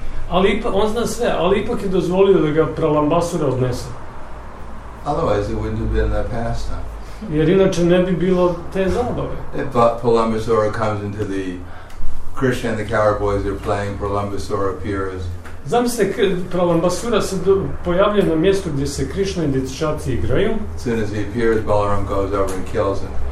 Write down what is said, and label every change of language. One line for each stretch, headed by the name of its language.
Croatian: Ali on zna sve, ali ipak je dozvolio da ga Pralambasura odnese.
English: Otherwise, it wouldn't have been that pastime.
Croatian: Jer inače ne bi bilo te zabave.
English: But Pralambasura comes into the Krishna and the Kaur boys are playing, Pralambasura appears.
Croatian: Zamisli, Pralambasura se pojavlja na mjestu gdje se Krishna i dječaci igraju.
English: As soon as he appears, Balaram goes over and kills him.